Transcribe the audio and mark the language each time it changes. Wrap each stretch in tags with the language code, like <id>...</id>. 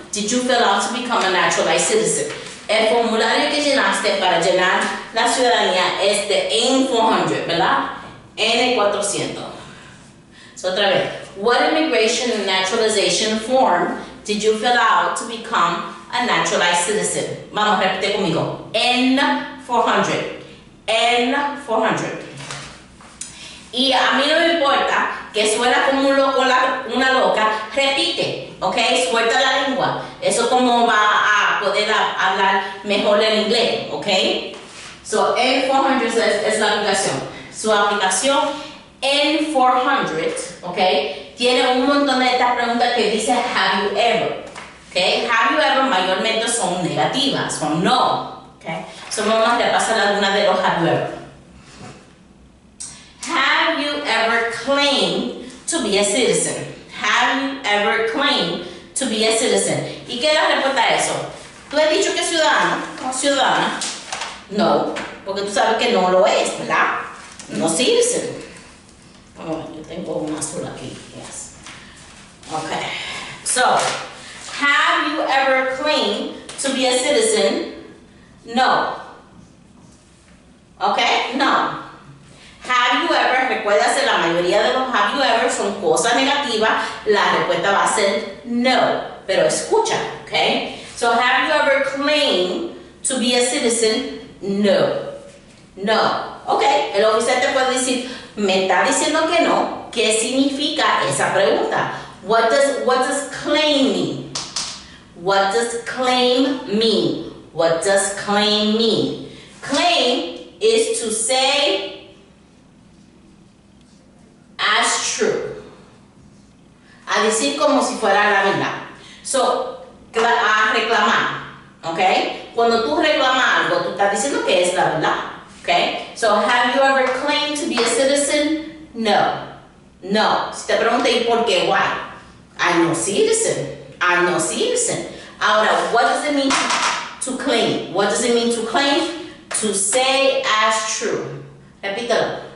<en>Did you fill out to become a naturalized citizen?</en> <es>El formulario que llenaste para llenar la ciudadanía es de N-400, ¿verdad? N-400. So, otra vez.</es> <en>What immigration and naturalization form did you fill out to become a naturalized citizen?</en> <es>Vamos, repite conmigo. N-400. N-400. Y a mí no me importa que suena como un loco o una loca, repite, ¿ok? Suelta la lengua. Eso como va a poder hablar mejor el inglés, ¿ok? So, N-400 es la aplicación. Su aplicación N-400, ¿ok? Tiene un montón de estas preguntas que dice</es> <en>have you ever,</en> <es>¿ok?</es> <en>Have you ever</en> <es>mayormente son negativas, son no, ¿ok? So, vamos a repasar alguna de los</es> <en>have you ever. Have you ever claimed to be a citizen? Have you ever claimed to be a citizen?</en> <es>¿Y qué la respuesta a eso? ¿Tú has dicho que es ciudadano o ciudadana? No, porque tú sabes que no lo es, ¿verdad?</es> <en>No citizen.</en> <es>Oh, yo tengo un azul aquí, yes. Okay.</es> <en>So, have you ever claimed to be a citizen? No. Okay, no. Have you ever,</en> <es>recuérdase, la mayoría de los have you ever son cosas negativas, la respuesta va a ser no, pero escucha, okay?</es> <en>So, have you ever claimed to be a citizen? No. No.</en> <es>Okay, el oficial te puede decir, me está diciendo que no, ¿qué significa esa pregunta?</es> <en>What does claim mean? What does claim mean? What does claim mean? Claim is to say as true.</en> <es>A decir como si fuera la verdad. So, a reclamar. Okay? Cuando tú reclamas algo, tú estás diciendo que es la verdad.</es> <en>Okay? So, have you ever claimed to be a citizen?</en> <es>No. No. Si te pregunté, ¿y por qué? Why?</es> <en>I'm no citizen. I'm no citizen. Ahora, what does it mean to claim? What does it mean to claim? To say as true. Repítelo.</en>